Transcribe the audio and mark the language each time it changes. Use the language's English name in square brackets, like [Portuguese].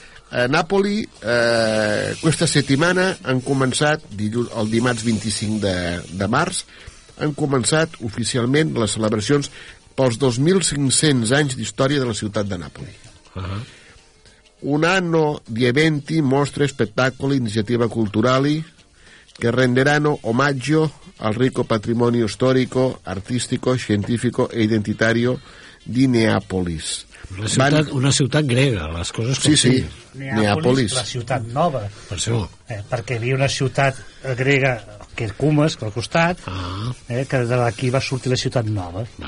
[Catalan] A Nàpoli, aquesta setmana han començat, el dimarts 25 de març, han començat oficialment les celebracions pels 2.500 anys d'història de la ciutat de Nàpoli. [Italian] Un anno di eventi, mostre, spettacoli, iniziative culturali che renderanno omaggio al ricco patrimonio storico, artistico, scientifico e identitario di Neapolis. [Catalan] Una ciutat grega, les coses com sí. Neapolis. La ciutat nova. Per això. Perquè hi havia una ciutat grega, que és Cumes, al costat, que de l'aquí va sortir la ciutat nova.